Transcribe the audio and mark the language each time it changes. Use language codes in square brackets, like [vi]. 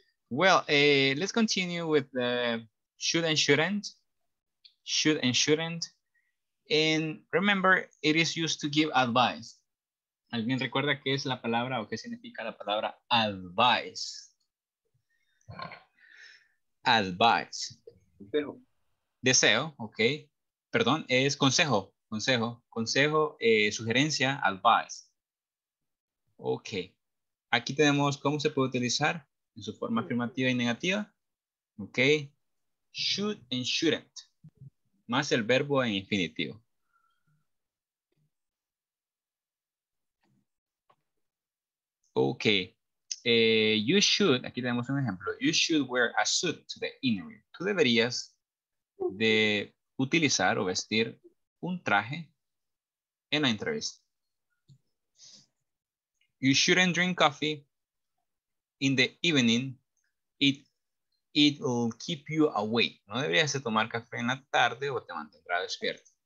[en] Well, let's continue with the should and shouldn't. Should and shouldn't. And remember, it is used to give advice. [es] ¿Alguien recuerda qué es la palabra o qué significa la palabra advice? [en] Advice. [es] Deseo, okay. Perdón, es consejo, consejo, consejo, sugerencia, advice. Ok, aquí tenemos cómo se puede utilizar en su forma afirmativa y negativa. Ok, should and shouldn't, más el verbo en infinitivo. [en] Ok, you should, [es] aquí tenemos un ejemplo, [en] you should wear a suit to the interview. [es] Tú deberías de... utilizar o vestir un traje en la entrevista. [en] You shouldn't drink coffee in the evening. It it will keep you awake. [es] No deberías de tomar café en la tarde o te mantendrá despierto.